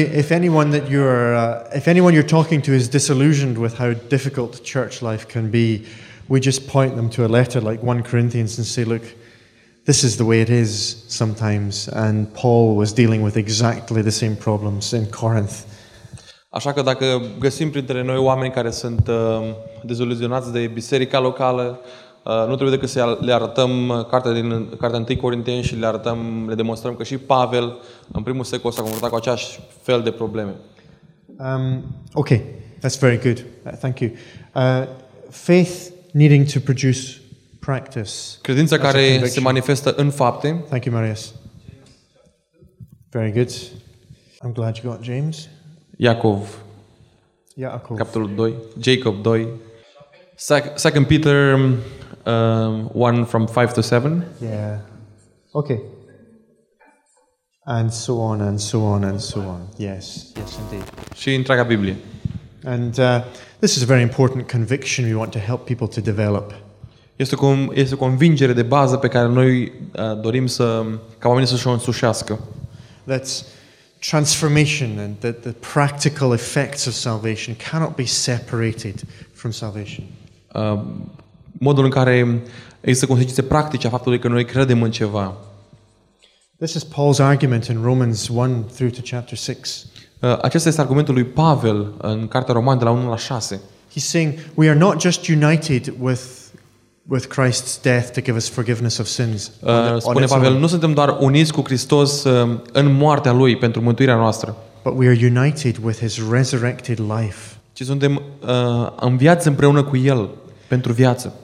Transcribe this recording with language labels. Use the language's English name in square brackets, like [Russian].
[English] If anyone you're talking to is disillusioned with how difficult church life can be, we just point them to a letter like 1 Corinthians and say, look, this is the way it is sometimes, and Paul was dealing with exactly the same problems in Corinth. [Romanian] Așa că dacă găsim printre noi oameni care sunt deziluzionați de biserica locală, nu trebuie decât să le arătăm cartea 1 Corinteni și le demonstrăm că și Pavel în primul secol s-a confruntat cu aceeași fel de probleme. [English] Okay, that's very good. Thank you. Faith needing to produce practice. [Romanian] Credința care se manifestă în fapte. [English] Thank you, Marius. Very good. I'm glad you got James. [Romanian] Iacov. Iacov. Capitolul 2. [English] Jacob 2. 2 Peter 1 from 5 to 7. Yeah. Okay. And so on and so on and so on. Yes. Yes, indeed. [Romanian] Și întreaga Biblie. [English] And this is a very important conviction we want to help people to develop. [Romanian] Este o convingere de bază pe care noi dorim să ca oamenii să-și o însușească. [English] That's transformation and that the practical effects of salvation cannot be separated from salvation. [Romanian] Modul în care există consecințe practice a faptului că noi credem în ceva. [English] This is Paul's argument in Romans 1 through to chapter 6. [Romanian] Acesta este argumentul lui Pavel în cartea Romani de la 1 la 6. [English] He's saying we are not just united with Christ's death to give us forgiveness of sins. [Romanian] Spune Pavel, nu suntem doar uniți cu Hristos în moartea lui pentru mântuirea noastră. [English] But we are united with his resurrected life. [Romanian] Ci suntem în viață împreună cu el pentru viață.